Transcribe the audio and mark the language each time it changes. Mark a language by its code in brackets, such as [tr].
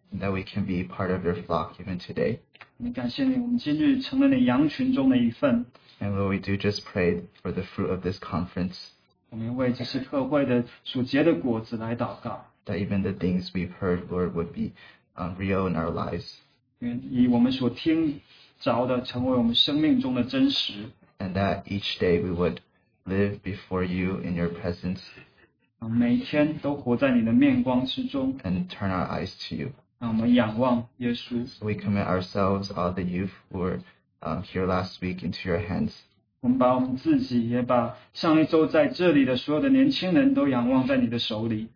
[en] And that we can be part of your flock even today. [zh] 我们感谢你，我们今日成了你羊群中的一份。 [en] And Lord, we do just pray for the fruit of this conference. [zh] 我们为这次特会的属节的果子来祷告。 [en] That even the things we've heard, Lord, would be real in our lives. [zh] 以我们所听 [en] And that each day we would live before you in your presence. [zh] 每天都活在你的面光之中, [en] and turn our eyes to you. [zh] 让我们仰望耶稣, [en] so we commit ourselves, all the youth who were here last week, into your hands. [zh] 我们把我们自己也把上一周在这里的所有的年轻人都仰望在你的手里。